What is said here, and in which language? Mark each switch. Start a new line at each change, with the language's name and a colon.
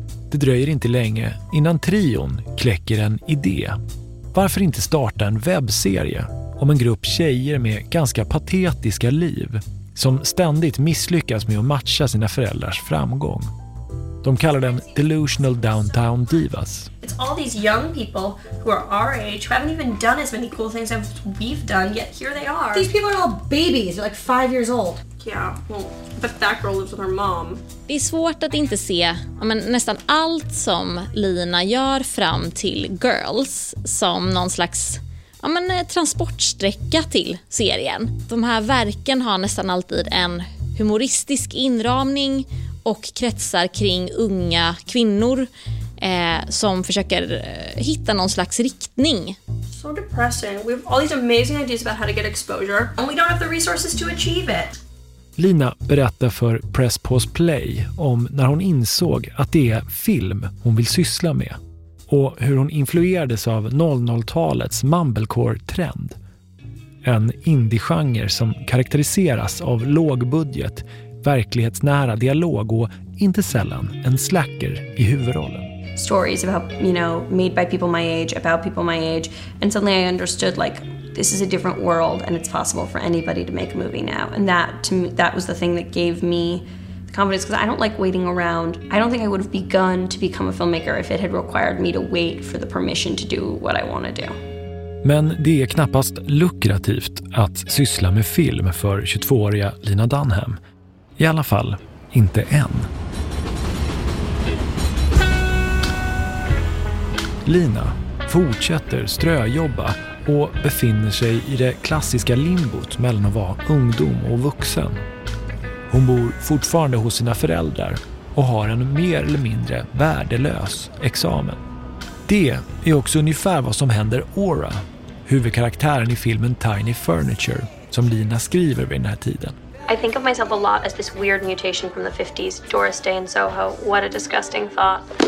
Swedish: Det dröjer inte länge innan trion kläcker en idé. Varför inte starta en webbserie om en grupp tjejer med ganska patetiska liv som ständigt misslyckas med att matcha sina föräldrars framgång? De kallar den Delusional Downtown Divas.
English: It's all these young people who are our age who haven't even done as many cool things as we've done, yet here they are. These people are all babies, they're like 5 years old. Yeah, well, but that girl lives with her mom.
Swedish: Det är svårt att inte se, men nästan allt som Lina gör fram till Girls som någon slags transportsträcka till serien. De här verken har nästan alltid en humoristisk inramning och kretsar kring unga kvinnor som försöker hitta någon slags riktning.
English: So depressing. We have all these amazing ideas about how to get exposure, and we don't have the resources to achieve it.
Swedish: Lina berättar för Press Pause Play om när hon insåg att det är film hon vill syssla med och hur hon influerades av 00-talets mumblecore-trend. En indie-genre som karaktäriseras av lågbudget, verklighetsnära dialog och inte sällan en slacker i huvudrollen.
English: Stories about, you know, made by people my age, about people my age, and suddenly I understood like this is a different world and it's possible for anybody to make a movie now. And that to me, that was the thing that gave me the confidence, because I don't like waiting around. I don't think I would have begun to become a filmmaker if it had required me to wait for the permission to do what I want to do.
Swedish: Men det är knappast lukrativt att syssla med film för 22-åriga Lina Dunham. I alla fall inte än. Lina fortsätter ströjobba och befinner sig i det klassiska limbot mellan att vara ungdom och vuxen. Hon bor fortfarande hos sina föräldrar och har en mer eller mindre värdelös examen. Det är också ungefär vad som händer Aura, huvudkaraktären i filmen Tiny Furniture, som Lina skriver vid den här tiden.
English: I think of myself a lot as this weird mutation from the 50s, Doris Day in Soho. What a disgusting thought.